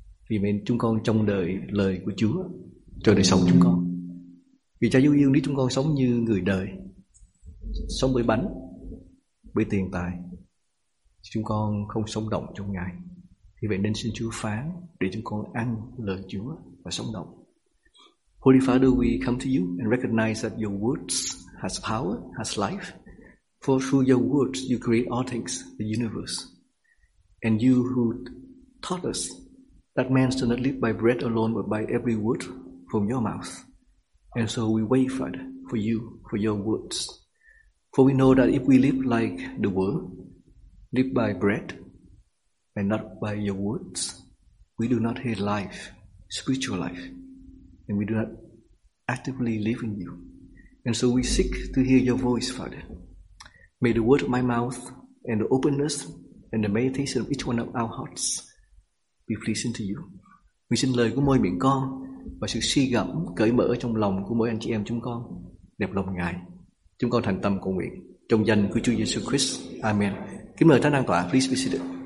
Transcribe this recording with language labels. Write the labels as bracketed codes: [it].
[vi] Vì vậy chúng con trông đợi lời của Chúa cho đời sống chúng con. Vì Cha yêu, nếu chúng con sống như người đời, sống bởi bánh, bởi tiền tài, chúng con không sống động trong Ngài. Vì vậy nên xin Chúa phán để chúng con ăn lời Chúa và sống động. [en] Holy Father, we come to you and recognize that your words has power, has life. For through your words, you create all things, the universe. And you who taught us that man shall not live by bread alone, but by every word from your mouth. And so we wait, Father, for you, for your words. For we know that if we live like the world, live by bread and not by your words, we do not have life, spiritual life. And we do not actively live in you. And so we seek to hear your voice, Father. May the word of my mouth and the openness and the meditation of each one of our hearts be pleasing to you. We [vi] xin lời của môi miệng con và sự suy gẫm cởi mở trong lòng của mỗi anh chị em chúng con đẹp lòng Ngài. Chúng con thành tâm cầu nguyện trong danh của Chúa Jesus Christ. Amen. Kính mời Thánh An Tọa, [en] please be seated.